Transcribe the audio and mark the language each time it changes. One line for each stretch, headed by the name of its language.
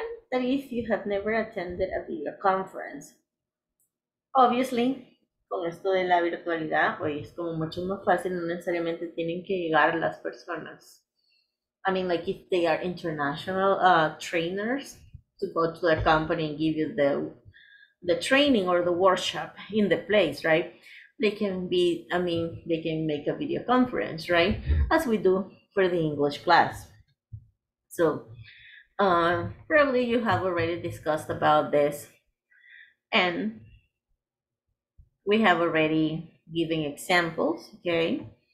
English: And that if you have never attended a video conference.
Spanish: Obviously, con esto de la virtualidad, hoy es como mucho más fácil. No necesariamente tienen que llegar las personas.
English: I mean, like if they are international trainers to go to their company and give you the training or the workshop in the place, right? They can make a video conference, right? As we do for the English class. So probably you have already discussed about this and we have already given examples, okay?